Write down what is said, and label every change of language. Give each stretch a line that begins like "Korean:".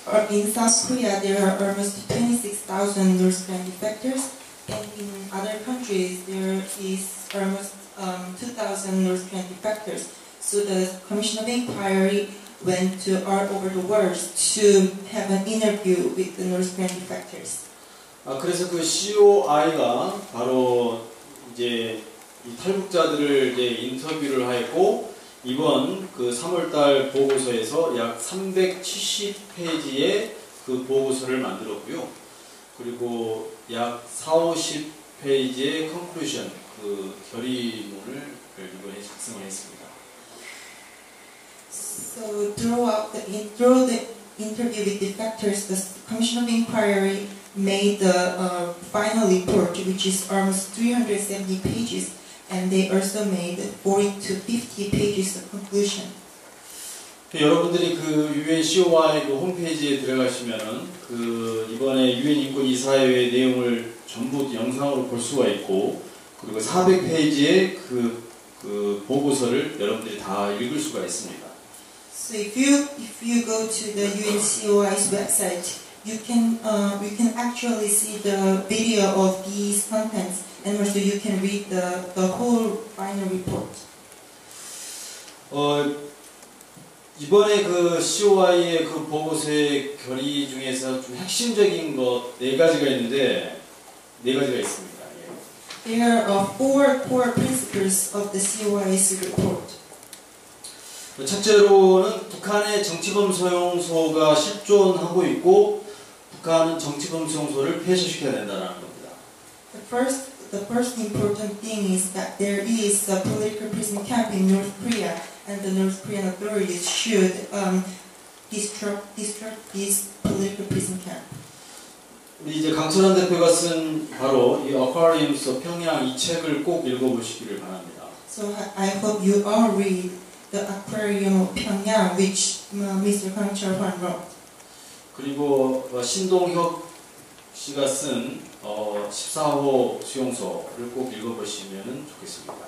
English: In South Korea, there are almost 26,000 North Korean defectors, and in other countries, there is almost 2,000 North Korean defectors. So the Commission of Inquiry went to all over the world to have an interview with the North Korean defectors.
Korean: 그래서 그 COI가 바로 이제 이 탈북자들을 이제 인터뷰를 하였고 이번 그 3월달 보고서에서 약 370페이지의 그 보고서를 만들었고요. 그리고 약 450페이지의 컨클루션, 그 결의문을 이번에 작성을 했습니다.
English: So through the interview with defectors, the Commission of Inquiry made the final report, which is almost 370 pages, and they also made 40 to 50 pages of conclusion.
Korean: 여러분들이 그 UN COI 그 홈페이지에 들어가시면은 그 이번에 UN 인권 이사회의 내용을 전부 영상으로 볼 수가 있고 그리고 400페이지의 그 보고서를 여러분들이 다 읽을 수가 있습니다.
English: So if you go to the UN COI's website. You can actually see the video of these contents, and also you can read the whole final report.
Korean: 이번에 그 COI의 그 보고서의 결의 중에서 좀 핵심적인 것 네 가지가 있습니다.
English: There are four core principles of the COI's report.
Korean: 첫째로는 북한의 정치범 소용소가 실존하고 있고. 북한은 정치범 소용소를 폐쇄시켜야 된다는 겁니다.
English: The first important thing is that there is a political prison camp in North Korea, and the North Korean authorities should destruct this political prison camp.
Korean: 우리 이제 강철환 대표가 쓴 바로 이 Aquariums of Pyongyang 이 책을 꼭 읽어보시기를 바랍니다.
English: So I hope you all read the Aquarium of Pyongyang, which Mr. 강철환 wrote.
Korean: 그리고 신동혁 씨가 쓴 14호 수용소를 꼭 읽어보시면 좋겠습니다.